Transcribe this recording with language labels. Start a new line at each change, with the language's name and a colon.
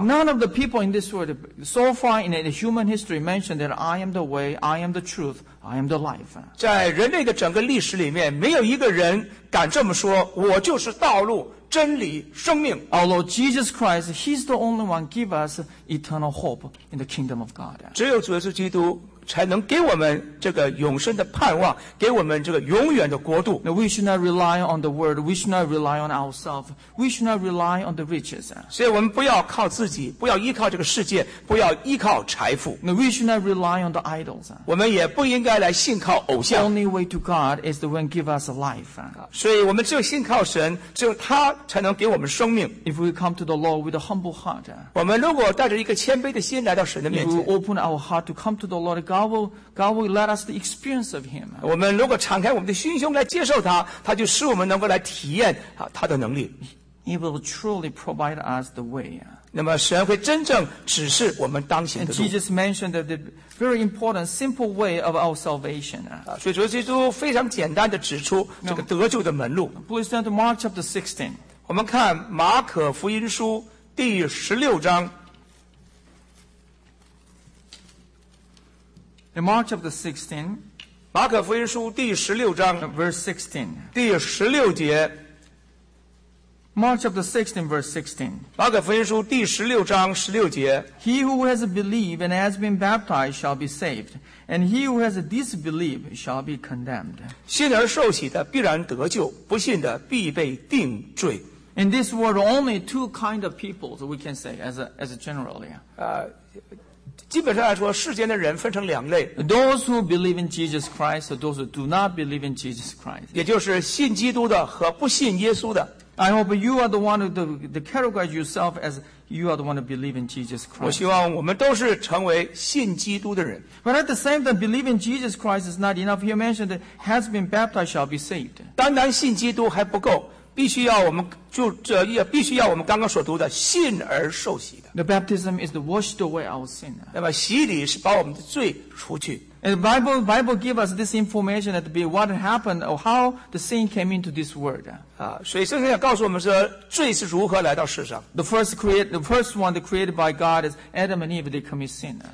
English: None of the people in this world so far in the human history mentioned that I am the way, I am the truth, I am the life.
Chinese: 在人类的整个历史里面，没有一个人敢这么说，我就是道路、真理、生命。
English: Our Lord Jesus Christ, He's the only one give us eternal hope in the kingdom of God.
Chinese: 只有主耶稣基督才能给我们这个永生的盼望，给我们这个永远的国度。
English: We should not rely on the world. We should not rely on ourselves. We should not rely on the riches.
Chinese: 所以我们不要靠自己，不要依靠这个世界，不要依靠财富。
English: We should not rely on the idols.
Chinese: 我们也不应该来信靠偶像。
English: Only way to God is the one give us life.
Chinese: 所以我们只有信靠神，只有他才能给我们生命。
English: If we come to the Lord with a humble heart,
Chinese: 我们如果带着一个谦卑的心来到神的面前
English: ，If we open our heart to come to the Lord, God will let us the experience of Him.
Chinese: 我们如果敞开我们的心胸来接受他，他就使我们能够来体验他的能力。
English: He will truly provide us the way.
Chinese: 那么神会真正指示我们当行的路。
English: Jesus mentioned the very important simple way of our salvation.
Chinese: 所以主耶稣基督非常简单地指出这个得救的门路。
English: Please turn to Mark chapter 16.
Chinese: 我们看马可福音书第十六章。
English: In Mark chapter 16,
Chinese: 马可福音书第十六章
English: verse 16,
Chinese: 第十六节。
English: Mark chapter 16, verse 16.
Chinese: 马可福音书第十六章十六节。
English: He who has believed and has been baptized shall be saved, and he who has disbelieved shall be condemned.
Chinese: 信而受洗的必然得救，不信的必被定罪。
English: In this world, only two kinds of people, we can say, as a generally.
Chinese: 基本上来说，世间的人分成两类。
English: Those who believe in Jesus Christ, those who do not believe in Jesus Christ.
Chinese: 也就是信基督的和不信耶稣的。
English: I hope you are the one who the categorize yourself as you are the one who believe in Jesus Christ.
Chinese: 我希望我们都是成为信基督的人。
English: But at the same time, believing Jesus Christ is not enough. He mentioned that has been baptized shall be saved.
Chinese: 单单信基督还不够，必须要我们就这也必须要我们刚刚所读的信而受洗的。
English: The baptism is to wash away our sin.
Chinese: 那么洗礼是把我们的罪除去。
English: And the Bible give us this information that be what happened or how the sin came into this world.
Chinese: 所以圣经也告诉我们说罪是如何来到世上。
English: The first one created by God is Adam and Eve, they commit sin.